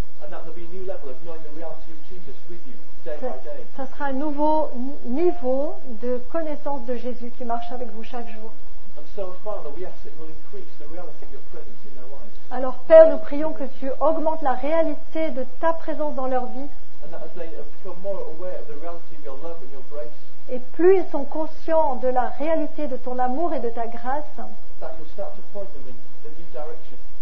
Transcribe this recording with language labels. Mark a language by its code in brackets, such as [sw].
[en] And that there'll be a new level of knowing the reality of Jesus with you day by day. [fr] Ça sera un nouveau niveau de connaissance de Jésus qui marche avec vous chaque jour. [en] And so, Father, we ask that you'll increase the reality of your presence in their lives. [fr] Alors Père, nous prions que tu augmentes la réalité de ta présence dans leur vie. [en] And that as they become more aware of the reality of your love and your grace. [fr] Et plus ils sont conscients de la réalité de ton amour et de ta grâce, [en] that you start to point them in the new direction.